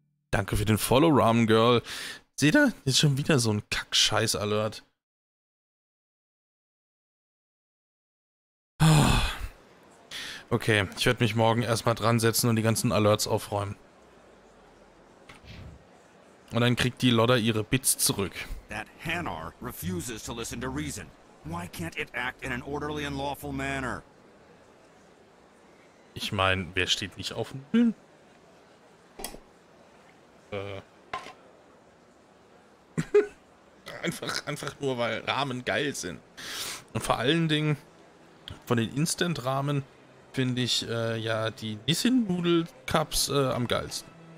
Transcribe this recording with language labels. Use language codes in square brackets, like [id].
[de] Danke für den Follow, Ramen Girl. Seht ihr? Jetzt schon wieder so ein Kack-Scheiß-Alert. Okay, ich werde mich morgen erstmal dran setzen und die ganzen Alerts aufräumen. Und dann kriegt die Lodder ihre Bits zurück. [en] That Hanar refuses to listen to reason. Why can't it act in an orderly and lawful manner? [de] Ich meine, wer steht nicht auf dem Bühnen? einfach nur, weil Rahmen geil sind. Und vor allen Dingen von den Instant-Rahmen finde ich ja die Nissin-Nudel-Cups am geilsten.